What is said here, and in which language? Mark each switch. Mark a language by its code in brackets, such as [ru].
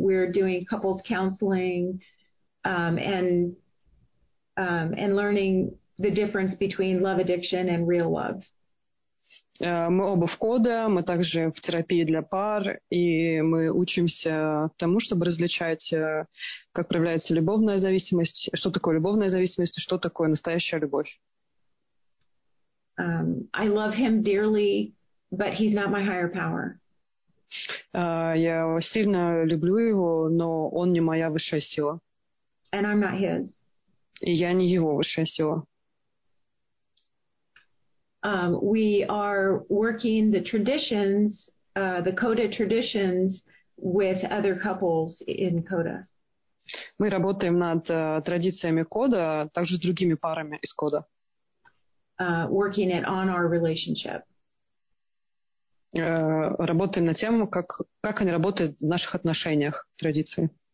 [en] We're doing couples counseling and learning the difference between love addiction and real love. [ru] Мы оба в Кода, мы также в терапии для пар, и мы учимся тому, чтобы различать, как проявляется любовная зависимость, что такое любовная зависимость, что такое настоящая любовь. [en] I love him dearly. But he's not my higher power. [ru] Я сильно люблю его, но он не моя высшая сила. [en] And I'm not his. [ru] И я не его высшая сила. [en] We are working the traditions, the Coda traditions, with other couples in Coda. [ru] Мы работаем над традициями Кода, также с другими парами из Кода. [en] Working it on our relationship. [ru] Работаем на тему, как они работают в наших отношениях, в традиции.